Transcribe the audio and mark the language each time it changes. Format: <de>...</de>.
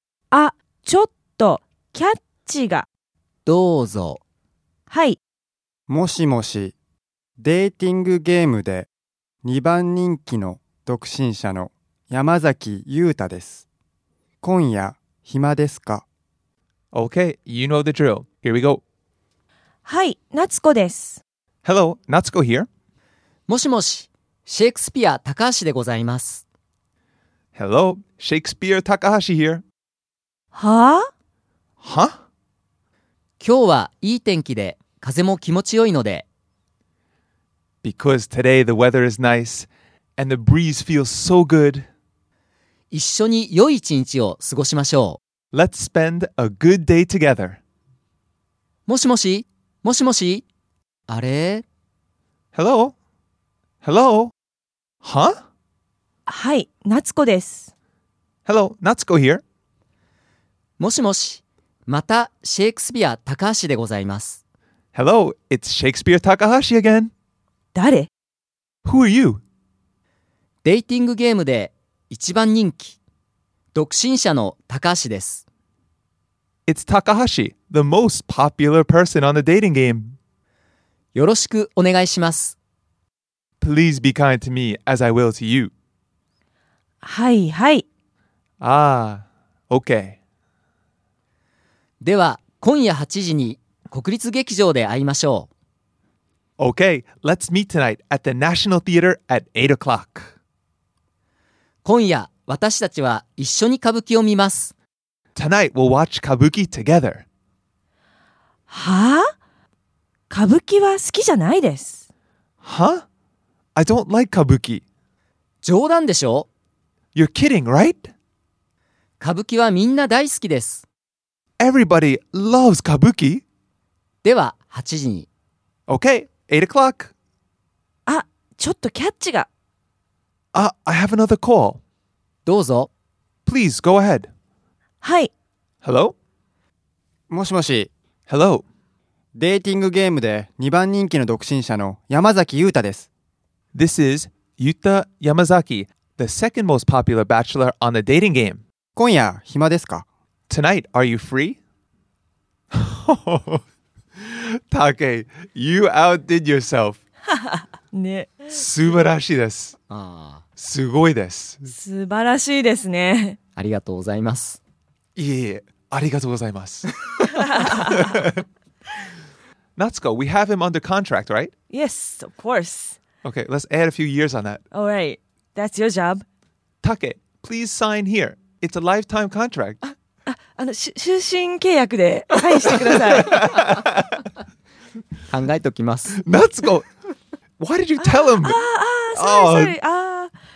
<ja>あ、ちょっとキャッチが。どうぞ。はい。もしもし、デーティングゲームで2番人気の独身者の山崎優太です。今夜暇ですか？</ja> <en>Okay, you know the drill. Here we go.</en> <ja>はい、夏子です。</ja> <en>Hello, Natsuko here.</en> <ja>もしもし、シェイクスピア高橋でございます。</ja> <en>Hello, Shakespeare Takahashi here.</en> <ja>はあ？は？今日はいい天気で、風も気持ちよいので。</ja> <en>Because today the weather is nice, and the breeze feels so good.</en> <ja>一緒に良い一日を過ごしましょう。</ja> <en>Let's spend a good day together.</en> <ja>もしもし、もしもし、あれ？</ja> <en>Hello? Hello? Huh?</en> <ja>はい、夏子です。</ja> <en>Hello, 夏子 here.</en> <ja>もしもし、またシェイクスピア高橋でございます。</ja> <en>Hello, it's Shakespeare Takahashi again.</en> <ja>誰？</ja> <en>Who are you?</en> <ja>デイティングゲームで一番人気、独身者の高橋です。</ja> <en>It's Takahashi, the most popular person on the dating game.</en> <ja>よろしくお願いします。</ja> <en>Please be kind to me as I will to you.</en> <ja>はいはい。ああ、OK。では、今夜8時に国立劇場で会いましょう。</ja> <en>OK, let's meet tonight at the National Theater at 8 o'clock.</en> <ja>今夜、私たちは一緒に歌舞伎を見ます。</ja> <en>Tonight, we'll watch 歌舞伎 together.</en> <ja>はあ？歌舞伎は好きじゃないです。は？</ja> <en>I don't like 歌舞伎。</en> <ja>冗談でしょ？</ja> <en>You're kidding, right?</en> <ja>歌舞伎はみんな大好きです。</ja> <en>Everybody loves 歌舞伎？</en> <ja>では、8時に。</ja> <en>Okay, 8 o'clock.</en> <ja>あ、ちょっとキャッチが。</ja> <en>あ、I have another call.</en> <ja>どうぞ。</ja> <en>Please, go ahead.</en> <ja>はい。</ja> <en>Hello?</en> <ja>もしもし。</ja> <en>Hello?</en> <ja>デーティングゲームで2番人気の独身者の山崎優太です。</ja> <en>This is Yuta Yamazaki, the second most popular bachelor on the dating game.</en> <ja>今夜、暇ですか?</ja> <en>Tonight, are you free? Take, you outdid yourself.</en> <ja>ね。素晴らしいです。ああ。すごいです。素晴らしいですね。ありがとうございます。いえいえ、ありがとうございます。</ja> <en>Natsuko, we have him under contract, right? Yes, of course. Okay, let's add a few years on that. All right, that's your job. Take, please sign here. It's a lifetime contract. Natsuko, why did you tell him?</en>